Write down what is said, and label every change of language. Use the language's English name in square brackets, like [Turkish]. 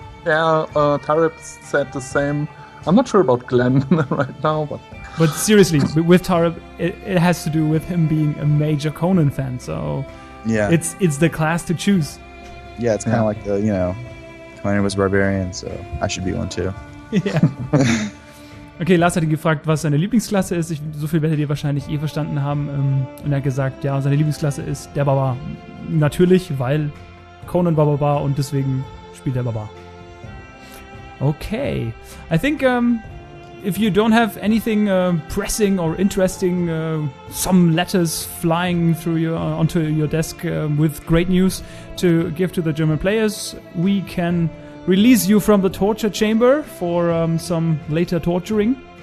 [English] Yeah, Tarip said the same. I'm not sure about Glenn right now, but... But seriously, with Tara, it has to do with him being a major Conan fan. So yeah, it's the class to choose. Yeah, it's kind of like, you know, Conan was barbarian, so I should be one too. Yeah. [German] Okay, Lars hat ihn gefragt, was seine Lieblingsklasse ist. So viel werdet ihr wahrscheinlich eh verstanden haben. Und er hat gesagt, ja, seine Lieblingsklasse ist der Barbar. Natürlich, weil Conan war Barbar und deswegen spielt der Barbar. Okay. [English] I think if you don't have anything pressing or interesting, some letters flying through your onto your desk with great news to give to the German players, we can release you from the torture chamber for some later torturing.